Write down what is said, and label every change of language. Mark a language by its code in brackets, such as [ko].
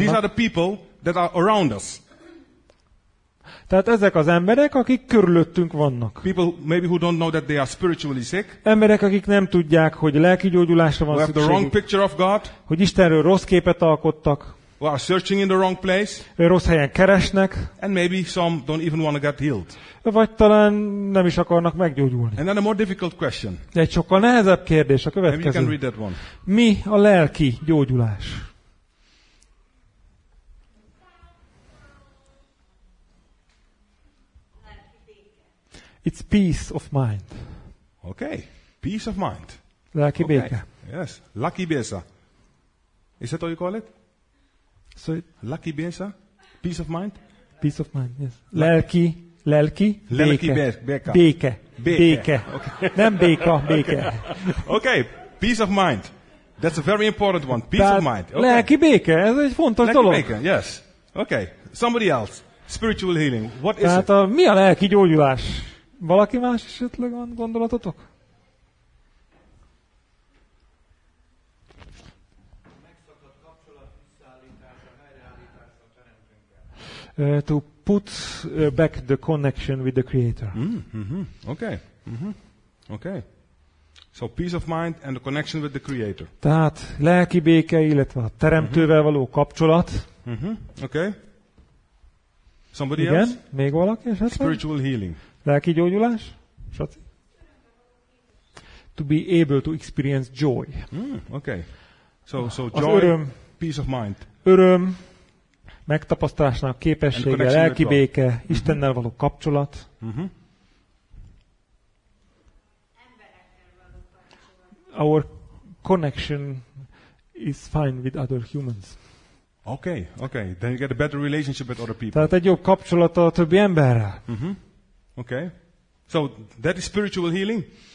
[en] So these are the people that are around us. [hu] Tehát ezek az emberek, akik körülöttünk vannak. [en] People maybe who don't know that they are spiritually sick. [hu] Emberek, akik nem tudják, hogy lelki gyógyulásra van szükségük. [en] The wrong picture of God. [hu] Hogy Istenről rossz képet alkottak. [en] Who are searching in the wrong place? [hu] Rossz helyen keresnek. [en] And maybe some don't even want to get healed. [hu] Vagy talán nem is akarnak meggyógyulni. [en] And then a more difficult question. [hu] Egy sokkal nehezebb kérdés a következő. [en] Maybe you can read that one. [hu] Mi a lelki gyógyulás? [en] It's peace of mind. Okay, peace of mind. [hu] Lelki béke. [en] Okay. Yes, lucky besa. Is that what you call it? So it, lucky beza, peace of mind, peace of mind. Yes. [hu] Lelki. Lelki béke. Béke. Okay. Nem béka, béke. [en] Okay. Peace of mind. That's a very important one. Peace of mind. Okay. [hu] Lelki béke. Ez egy fontos lelki dolog. Lelki béke. [en] Yes. Okay. Somebody else. Spiritual healing. What is [hu] tehát [en] it? [hu] Mi a lelki gyógyulás? Valaki más esetleg van gondolatotok? Megszakadt kapcsolat visszaállítása, helyreállítása. [en] to put back the connection with the Creator. Okay. So peace of mind and the connection with the Creator. [hu] Tehát lelki béke, illetve a Teremtővel való kapcsolat. [en] Okay. Somebody [hu] Igen, [en] else? [hu] Még valaki esetleg? [en] Spiritual healing. [hu] Lelki gyógyulás? [en] To be able to experience joy. Okay. So joy, [hu] öröm, [en] peace of mind. [hu] Öröm, megtapasztalásnak képessége, lelki béke, Istennel való kapcsolat. [en] Our connection is fine with other humans. Okay. Then you get a better relationship with other people. [hu] Tehát egy jobb kapcsolat a többi emberrel. [en] Okay. So that is spiritual healing.